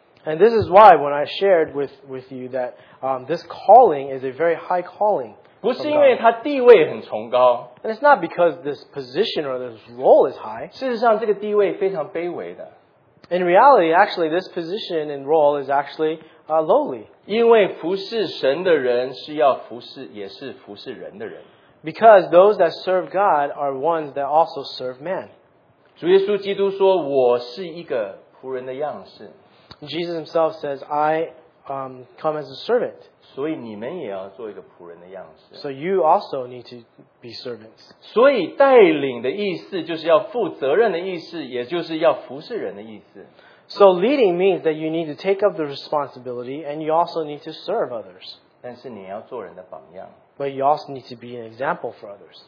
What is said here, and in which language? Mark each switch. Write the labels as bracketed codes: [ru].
[en] And this is why when I shared with you that this calling is a very high calling. [zh] 不是因为它地位很崇高。 [en] And it's not because this position or this role is high. [zh] 事实上这个地位非常卑微的。 [en] In reality, actually, this position and role is actually lowly. [zh] 因为服侍神的人是要服侍，也是服侍人的人。 [en] Because those that serve God are ones that also serve man. [zh] 主耶稣基督说，我是一个仆人的样式。 [en] Jesus himself says, I come as a servant. [zh] 所以你们也要做一个仆人的样式。 [en] So you also need to be servants. [zh] 所以带领的意思就是要负责任的意思，也就是要服侍人的意思。 [en] So leading means that you need to take up the responsibility and you also need to serve others. [zh] 但是你要做人的榜样。 [en] But you also need to be an example for others.